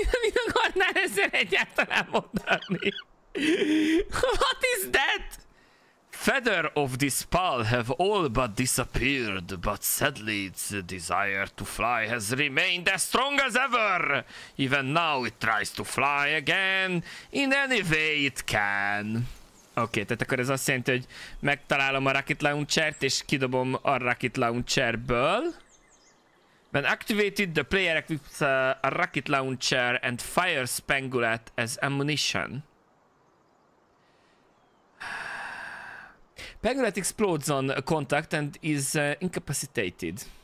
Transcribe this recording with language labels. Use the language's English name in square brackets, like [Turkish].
[Hungarian] Mit akarnál ezzel egyáltalán mondani? [English] What is that? Feather of this pal have all but disappeared, but sadly its desire to fly has remained as strong as ever. Even now it tries to fly again, in any way it can. [Hungarian] Oké, tehát akkor ez azt jelenti, hogy megtalálom a Rocket Launcher-t és kidobom a Rocket Launcher-ből. [English] When activated, the player equips a rocket launcher and fires Spengulet as ammunition. Spengulet explodes on contact and is incapacitated.